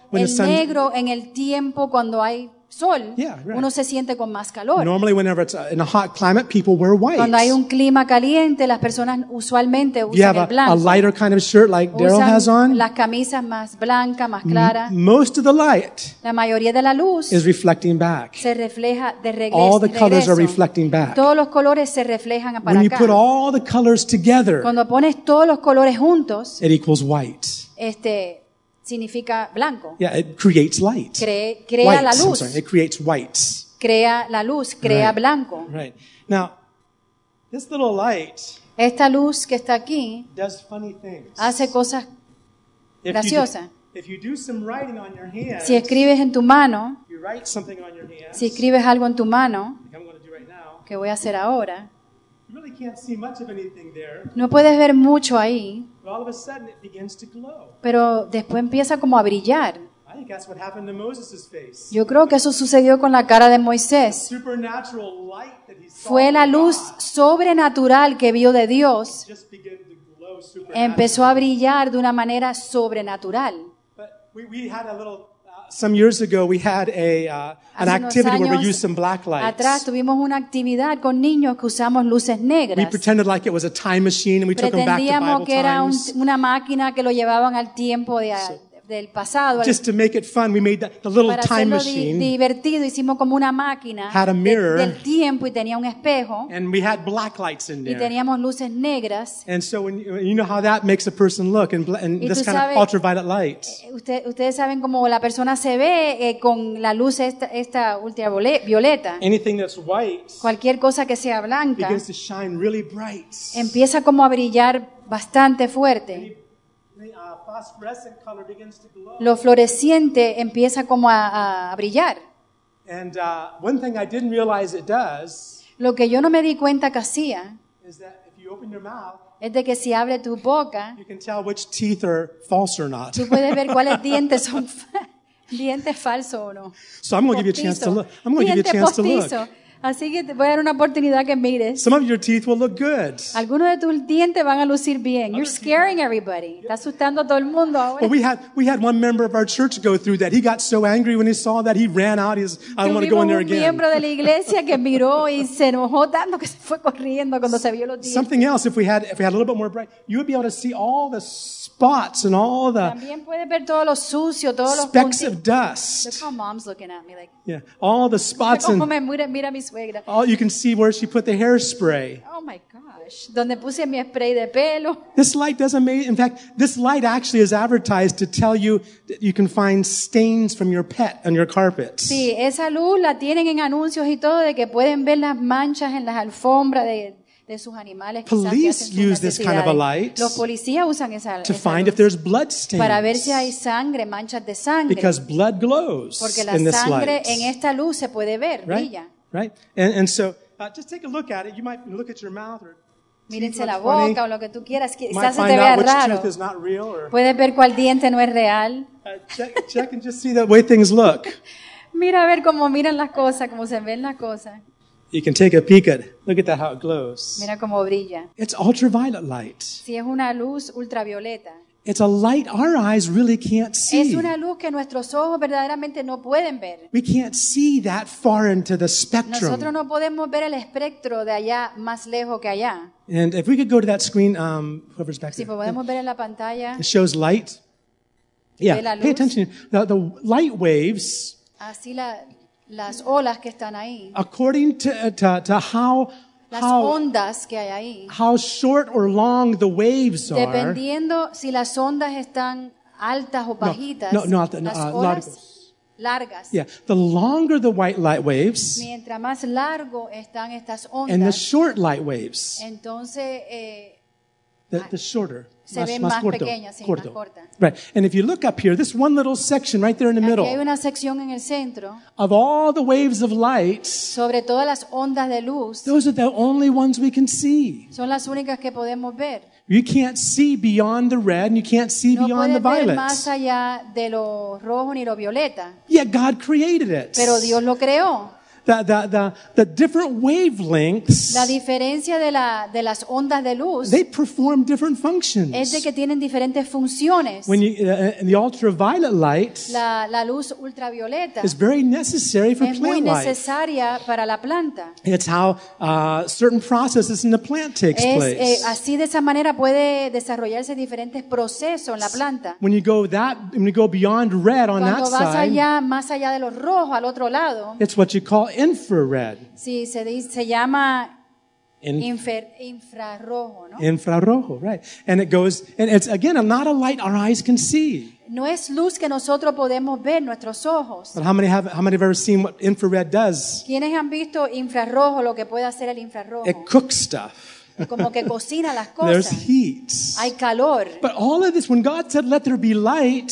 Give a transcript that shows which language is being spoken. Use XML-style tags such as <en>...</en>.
<es>El negro en el tiempo cuando hay sol,</es> <en>yeah, right.</en> <es>Uno se siente con más calor.</es> <en>Normally, whenever it's in a hot climate, people wear white.</en> <es>Cuando hay un clima caliente, las personas usualmente usan</es> <en>you have</en> <es>el blanco.</es> <en>A lighter kind of shirt like</en> <es>usan</es> <en>Daryl has on.</en> <es>Las camisas más blancas, más claras.</es> <en>Most of the light,</en> <es>la mayoría de la luz,</es> <en>is reflecting back.</en> <es>Se refleja de regreso.</es> <en>All the colors are reflecting back.</en> <es>Todos los colores se reflejan para</es> <en>when</en> <es>acá.</es> <en>You put all the colors together,</en> <es>cuando pones todos los colores juntos,</es> <en>it equals white.</en> <es>Este significa blanco.</es> <en>Yeah, it creates light.</en> <es>Crea</es> <en>white,</en> <es>la luz.</es> <en>I'm sorry, it creates white.</en> <es>Crea la luz, crea</es> <en>right.</en> <es>blanco.</es> <en>Right. Now, this little light</en> <es>esta luz que está aquí</es> <en>does funny things.</en> <es>Hace cosas graciosas.</es> <en>If you do some writing on your hand,</en> <es>si escribes en tu mano,</es> <en>you write something on your hands,</en> <es>si escribes algo en tu mano,</es> <en>like I'm going to do right now,</en> <es>que voy a hacer ahora,</es> <en>you really can't see much of anything there,</en> <es>no puedes ver mucho ahí,</es> <en>but all of a sudden it begins to glow.</en> <es>Pero después empieza como a brillar.</es> <en>I think that's what happened to Moses' face.</en> <es>Yo creo que eso sucedió con la cara de Moisés.</es> <en>The supernatural light that he saw</en> <es>fue la luz sobrenatural que vio de Dios.</es> <en>It just began to glow supernatural.</en> <es>Empezó a brillar de una manera sobrenatural.</es> <en>We had a little some years ago we had a an activity where we used some black lights.</en> <es>Atrás tuvimos una actividad con niños que usamos luces negras.</es> <en>We pretended like it was a time machine and we took them back to Bible times.</en> <es>Pretendíamos que era una máquina que lo llevaban al tiempo de del pasado.</es> <en>Just to make it fun, we made the little time machine.</en> <es>Para divertido hicimos como una máquina.</es> <en>Had a mirror.</en> <es>Del tiempo y tenía un espejo.</es> <en>And we had black lights in there.</en> <es>Y teníamos luces negras.</es> <en>And so when you know how that makes a person look and this kind of ultraviolet light.</en> <es>Ustedes saben cómo la persona se ve con la luz esta ultravioleta.</es> <en>Anything that's white.</en> <es>Cualquier cosa que sea blanca.</es> <en>Begins to shine really bright.</en> <es>Empieza como a brillar bastante fuerte.</es> <en>Phosphorescent color begins to glow.</en> <es>Lo fluorescente empieza como a brillar.</es> <en>And one thing I didn't realize it does.</en> <es>Lo que yo no me di cuenta que hacía.</es> <en>Is that if you open your mouth,</en> <es>es de que si abre tu boca.</es> <en>You can tell which teeth are false or not.</en> <es>Tú puedes ver cuáles dientes son dientes falsos o no.</es> <en>So I'm going to give you a chance to look. I'm going to give you a chance</en> <es>postizo.</es> <en>To look.</en> <es>Así que te voy a dar una oportunidad que mires.</es> <en>Some of your teeth will look good.</en> <es>Algunos de tus dientes van a lucir bien.</es> <en>You're scaring everybody. Yeah.</en> <es>Estás asustando a todo el mundo ahora.</es> <en>Well, we had one member of our church go through that. He got so angry when he saw that he ran out. He's, I don't want to go in there again.</en> <es>Un miembro de la iglesia que miró y se enojó tanto que se fue corriendo cuando se vio los dientes.</es> <en>Something else, if we had a little bit more bright, you would be able to see all the spots and all the</en> <es>también puedes ver todo lo sucio, todos los</es> <en>specks of dust. Look how mom's looking at me like. Yeah, all the spots and.</en> <es>Cómo me mira mi suegra.</es> <en>All you can see where she put the hairspray. Oh my gosh,</en> <es>donde puse mi spray de pelo.</es> <en>This light does amazing. In fact, this light actually is advertised to tell you that you can find stains from your pet on your carpets.</en> <es>Sí, esa luz la tienen en anuncios y todo de que pueden ver las manchas en las alfombras de sus animales.</es> <en>Police use this kind of a light.</en> <es>Los policías usan esa</es> <en>to find if there's blood stains.</en> <es>Para ver si hay sangre, manchas de sangre.</es> <en>Because blood glows in this light.</en> <es>Porque la sangre en esta luz se puede ver, brilla.</es> <en>Right? And so, just take a look at it. You might look at your mouth or</en> <es>mírense la boca o lo que tú quieras. Quizás se te vea raro. Puedes ver cuál diente no es real.</es> <en>Check and just see the way things look.</en> <es>Mira a ver cómo miran las cosas, cómo se ven las cosas.</es> <en>You can take a peek at. Look at that, how it glows.</en> <es>Mira cómo brilla.</es> <en>It's ultraviolet light.</en> <es>Sí, es una luz ultravioleta.</es> <en>It's a light our eyes really can't see.</en> <es>Es una luz que nuestros ojos verdaderamente no pueden ver.</es> <en>We can't see that far into the spectrum.</en> <es>Nosotros no podemos ver el espectro de allá más lejos que allá.</es> <en>And if we could go to that screen, whoever's back</en> <es>sí, Si podemos ver en la pantalla.</es> <en>It shows light. Yeah.</en> <es>La luz.</es> <en>Pay attention. The light waves.</en> <es>Así las olas que están ahí.</es> <en>According to how.</en> <es>Las ondas que hay ahí.</es> <en>How short or long the waves are.</en> <es>Dependiendo si las ondas están altas o bajitas. Largas. Largas.</es> <en>Yeah, the longer the white light waves.</en> <es>Mientras más largo están estas ondas.</es> <en>And the short light waves.</en> <es>Entonces,</es> <en>the shorter.</en> <es>Se ven más corto, pequeñas, sí, corto. Más corta.</es> <en>Right. And if you look up here, this one little section right there in the</en> <es>aquí</es> <en>middle.</en> <es>Hay una sección en el centro.</es> <en>Of all the waves of light.</en> <es>Sobre todas las ondas de luz.</es> <en>Those are the only ones we can see.</en> <es>Son las únicas que podemos ver.</es> <en>You can't see beyond the red and you can't see</en> <es>no</es> <en>beyond the violet.</en> <es>No puedes ver más allá de lo rojo ni lo violeta.</es> <en>Yet God created it.</en> <es>Pero Dios lo creó.</es> <en>The different wavelengths.</en> <es>La diferencia de las ondas de luz.</es> <en>They perform different functions.</en> <es>Es de que tienen diferentes funciones.</es> <en>When you, in the ultraviolet light.</en> <es>La luz ultravioleta.</es> <en>Is very necessary for plant life.</en> <es>Es muy necesaria para la planta.</es> <en>It's how certain processes in the plant takes place.</en> <es>Así de esa manera puede desarrollarse diferentes procesos en la planta.</es> <en>When you go beyond red on</en> <es>cuando vas</es> <en>side.</en> <es>Allá, más allá de lo rojo al otro lado.</es> <en>It's what you call infrared.</en> <es>Sí, se llama infrarrojo, ¿no?</es> <en>Infrarrojo, right. And it goes, and it's again, not a light our eyes can see.</en> <es>No es luz que nosotros podemos ver nuestros ojos.</es> <en>But how many have ever seen what infrared does?</en> <es>¿Quiénes han visto infrarrojo, lo que puede hacer el infrarrojo?</es> <en>It cooks stuff.</en> <es>Como que cocina las cosas.</es> <en>There's heat.</en> <es>Hay calor.</es> <en>But all of this, when God said, "Let there be light,"</en>